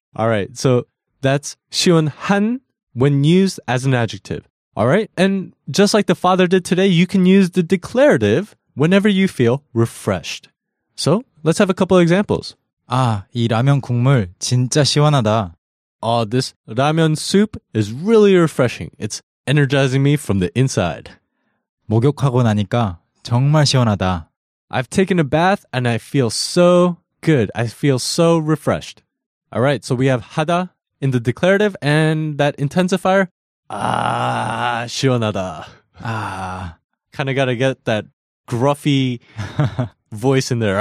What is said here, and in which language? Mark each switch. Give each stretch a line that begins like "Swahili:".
English: All right, so that's 시원한 when used as an adjective. All right, and just like the father did today, you can use the declarative whenever you feel refreshed. So, let's have a couple of examples.
Korean: 아, 이 라면 국물 진짜 시원하다.
English: Oh, this ramen soup is really refreshing. It's energizing me from the inside.
Korean: 목욕하고 나니까 정말 시원하다.
English: I've taken a bath and I feel so good. I feel so refreshed. All right, so we have 하다 in the declarative and that intensifier.
Korean: Ah, 시원하다. Ah.
English: Kind of got to get that gruffy voice in there.